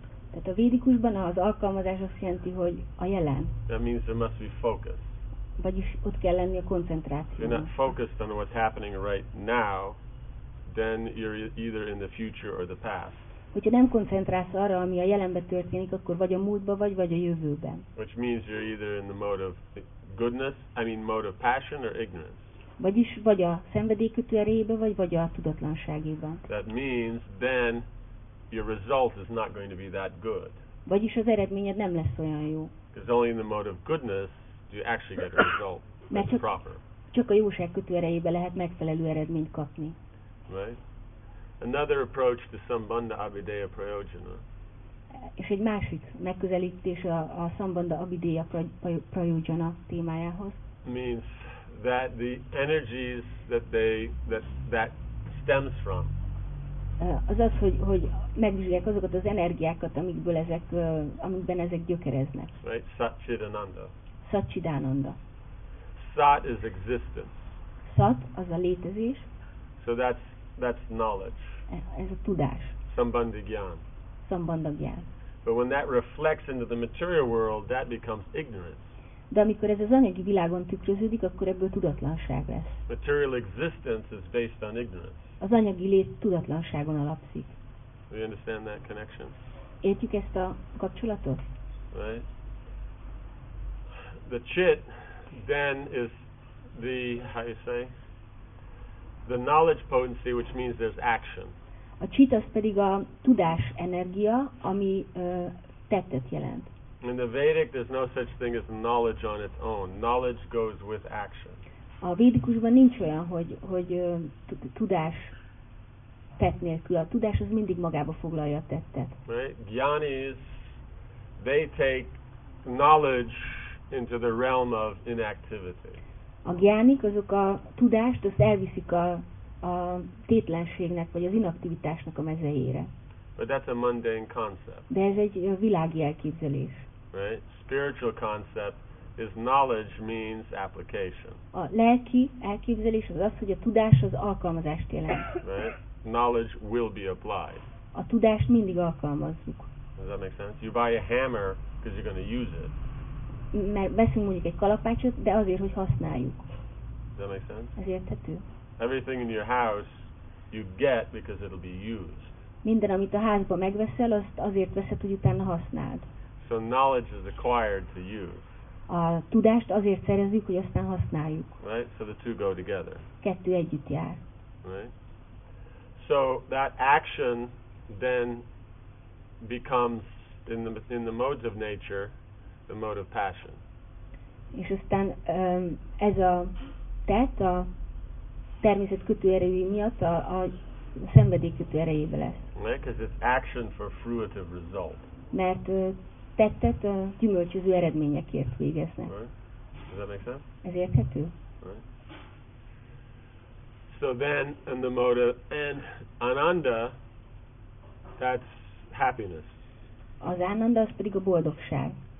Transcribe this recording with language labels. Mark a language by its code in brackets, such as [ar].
[hu] Tehát a védikusban az alkalmazás azt jelenti, hogy a jelen. [en] That means there must be focus. [hu] Vagyis ott kell lenni a koncentráció. [en] You're not focused on what's happening right now, then you're either in the future or the past. [hu] Hogyha nem koncentrálsz arra, ami a jelenben történik, akkor vagy a múltban, vagy a jövőben. [en] Which means you're either in the mode of goodness, I mean mode of passion or ignorance. [hu] Vagyis vagy a szenvedélykötő erejében, vagy a tudatlanságében. [en] That means then your result is not going to be that good. [hu] Vagyis az eredményed nem lesz olyan jó. [en] Because only in the mode of goodness do you actually get a result that's proper. [hu] Csak a jóságkötő erejében lehet megfelelő eredményt kapni. [en] Right? Another approach to Sambandha Abhideya Prayojana. [hu] És egy másik megközelítés a Sambandha Abhideya Prayojana témájához. [en] Means that the energies that stems from. [hu] Azaz, hogy megvizsgálják azokat az energiákat, amikből ezek, amikben ezek gyökereznek. [en] Right? Satchidananda. [hu] Satchidananda. [en] Sat is existence. [hu] Sat az a létezés. [en] So that's knowledge. [hu] Ez a tudás. [en] Sambandhigyan. [hu] Sambandhigyan. [en] But when that reflects into the material world, that becomes ignorance. [hu] De amikor ez az anyagi világon tükröződik, akkor ebből tudatlanság lesz. [en] Material existence is based on ignorance. [hu] Az anyagi lét tudatlanságon alapszik. [en] Do you understand that connection? [hu] Értjük ezt a kapcsolatot? [en] Right. The chit then is the, how you say, the knowledge potency, which means there's action. [hu] A chit az pedig a tudás energia, ami tettet jelent. [en] In the Vedic, there's no such thing as knowledge on its own. Knowledge goes with action. [hu] A védikusban nincs olyan, hogy tudás tett nélkül. A tudás az mindig magába foglalja a tettet. [en] Right? Gyanis, they take knowledge into the realm of inactivity. [hu] A gyanik, azok a tudást, azt elviszik a tétlenségnek, vagy az inaktivitásnak a mezejére. [en] But that's a mundane concept. [hu] De ez egy világi elképzelés. [en] Right? Spiritual concept is knowledge means application. [hu] A lelki elképzelés az az, hogy a tudás az alkalmazást jelent. [en] Right? Knowledge will be applied. [hu] A tudást mindig alkalmazzuk. [en] Does that make sense? You buy a hammer because you're going to use it. [hu] Mert veszünk mondjuk egy kalapácsot, de azért, hogy használjuk. [en] Does that make sense? [hu] Ez érthető. [en] Everything in your house you get because it'll be used. [hu] Minden, amit a házba megveszel, azt azért veszed, hogy utána használd. [en] So knowledge is acquired to use. [hu] A tudást azért szerezzük, hogy aztán használjuk. [en] Right? So the two go together. [hu] Kettő együtt jár. [en] Right? So that action then becomes in the modes of nature, the mode of passion. [hu] És aztán ez a tett a természetkötő erejé miatt a szenvedélykötő erejébe lesz. [en] Right? Because it's action for fruitive result. [hu] Mert tettet a gyümölcsöző eredményekért végeznek. [en] Right. Does that make sense? [hu] Ez érthető? [en] Right. So then, in the mode of, and Ananda, that's happiness. [hu] Az ánanda, az pedig a boldogság.